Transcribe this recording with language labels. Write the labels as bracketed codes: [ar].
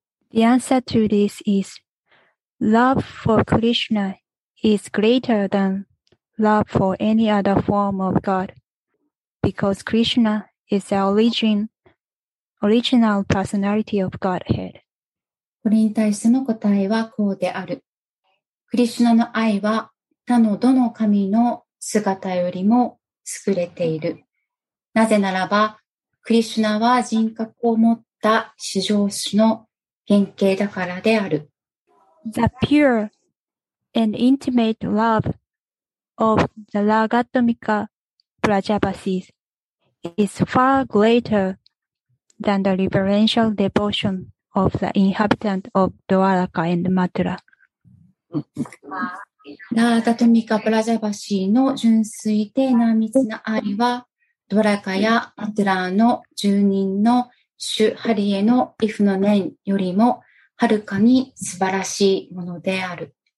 [en] The answer to this is, love for Krishna is greater than love for any other form of God, because Krishna is the original personality of Godhead. [ja] これに対しての答えはこうである。クリシュナの愛は他のどの神の姿よりも優れている。なぜならば、クリシュナは人格を持った至上主の原型だからである。 [en] The pure and intimate love of the Lagatmika Prajapasis is far greater than the reverential devotion. Of the inhabitant of Dwaraka and Mathura. [ja] ラーダトミカ・プラジャバシーの純粋で濃密な愛は、ドワラカやマトゥラの住人の主ハリへの畏怖の念よりも、はるかに素晴らしいものである。